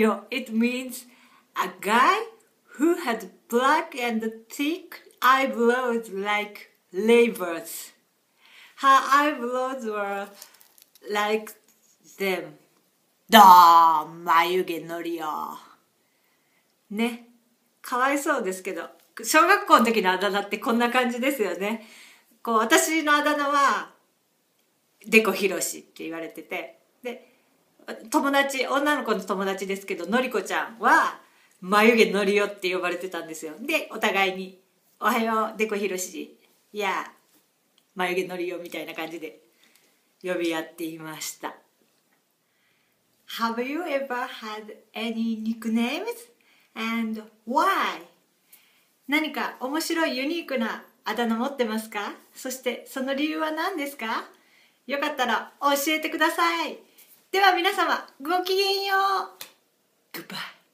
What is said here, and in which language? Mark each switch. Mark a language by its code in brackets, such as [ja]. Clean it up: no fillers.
[en] It means a guy who had black and thick eyebrows like ravens. Her eyebrows were like them. [ja] Da, 眉毛のりお。ね、かわいそうですけど、小学校の時のあだ名ってこんな感じですよね。こう、私のあだ名はデコヒロシって言われてて、で、友達、女の子の友達ですけど、のりこちゃんは眉毛のりおって呼ばれてたんですよ。で、お互いにおはよう、デコヒロシ、いや、眉毛のりおみたいな感じで呼び合っていました。 [en] Have you ever had any nicknames? And why? [ja] 何か面白いユニークなあだ名持ってますか？そしてその理由は何ですか？よかったら教えてください。では皆様、ごきげんよう。 [en] Goodbye.